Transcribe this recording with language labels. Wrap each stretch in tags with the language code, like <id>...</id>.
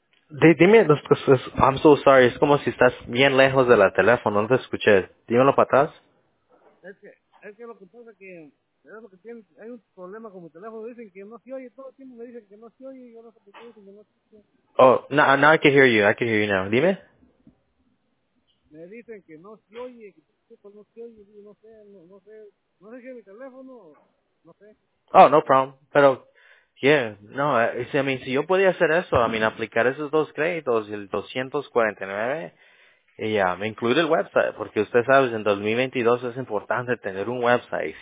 <es>Dime,</es> <en>I'm so sorry,</en> <es>es como si estás bien lejos del teléfono, no te escuché. Dímelo para atrás. Es que lo que pasa es que tiene, hay un problema con mi teléfono, dicen que no se oye, todo el tiempo me dicen que no se oye, y yo no sé qué dicen que no se oye.</es> <en>Oh, now I can hear you now,</en> <es>dime. Me dicen que no se oye, no sé si es mi teléfono, no sé.</es> <en>Oh, no problem,</en> <es>pero...</es> <en>Yeah, no,</en> <es>si yo podía hacer eso, aplicar esos dos créditos, el 249, y incluir el website, porque usted sabe, en 2022 es importante tener un website.</es>